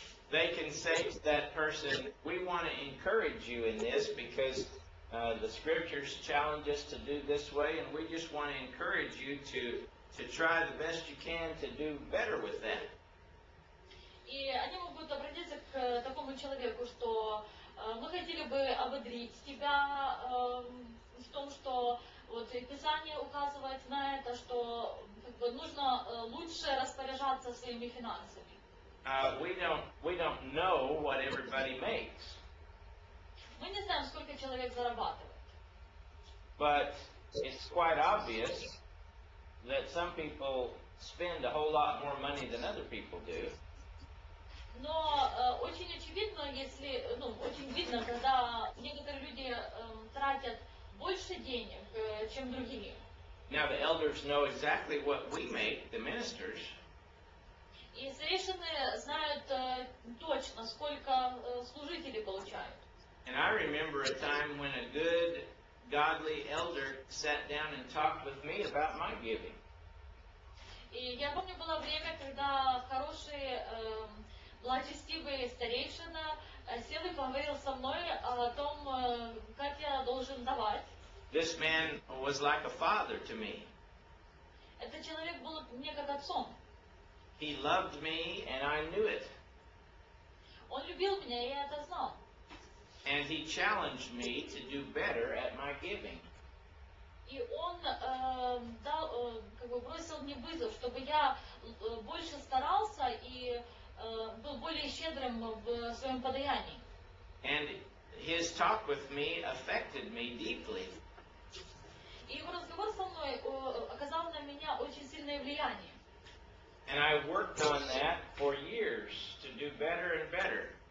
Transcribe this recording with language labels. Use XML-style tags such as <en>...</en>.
<en>They can say to that person, we want to encourage you in this because the scriptures challenge us to do this way, and we just want to encourage you to try the best you can to do better with that.</en> <ru>И они могут обратиться к такому человеку, что мы хотели бы ободрить тебя в том, что вот Писание указывает на это, что как бы, нужно лучше распоряжаться своими финансами.</ru> <en>We don't know what everybody makes.</en> <ru>Мы не знаем, сколько человек зарабатывает.</ru> <en>But it's quite obvious that some people spend a whole lot more money than other people do.</en> <ru>Но очень очевидно, если, ну, очень видно, когда некоторые люди тратят больше денег, чем другие.</ru> <en>Now the elders know exactly what we make, the ministers.</en> <ru>И старейшины знают точно, сколько служители получают.</ru> <en>And I remember a time when a good, godly elder sat down and talked with me about my giving.</en> <ru>И я помню, было время, когда хороший, благочестивый старейшина сел и поговорил со мной о том, как я должен давать.</ru> <en>This man was like a father to me.</en> <ru>Этот человек был мне как отцом.</ru> <en>He loved me, and I knew it.</en> <ru>Он любил меня, и я это знал.</ru> <en>And he challenged me to do better at my giving.</en> <ru>И он дал, как бы бросил мне вызов, чтобы я больше старался и был более щедрым в своем подаянии.</ru> <en>And his talk with me affected me deeply.</en> <ru>И его разговор со мной оказал на меня очень сильное влияние.</ru> <en>And I worked on that for years to do better and better.</en>